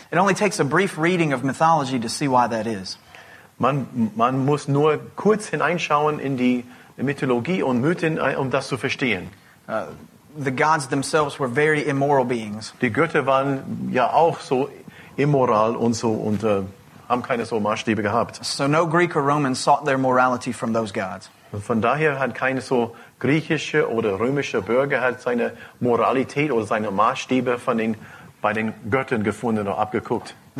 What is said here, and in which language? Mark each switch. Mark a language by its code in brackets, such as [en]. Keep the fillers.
[en] It only takes a brief reading of mythology to see why that is. [de] Man, man muss nur kurz hineinschauen in die Mythologie und Mythen, um das zu verstehen. [en] Uh, the gods themselves were very immoral beings. [de] Die Götter waren ja auch so immoral und so und uh, haben keine so Maßstäbe gehabt. [en] So no Greek or Roman sought their morality from those gods. [de] Und von daher hat keine so griechische oder römische Bürger hat seine Moralität oder seine Maßstäbe von den bei den Göttern gefunden und abgeguckt.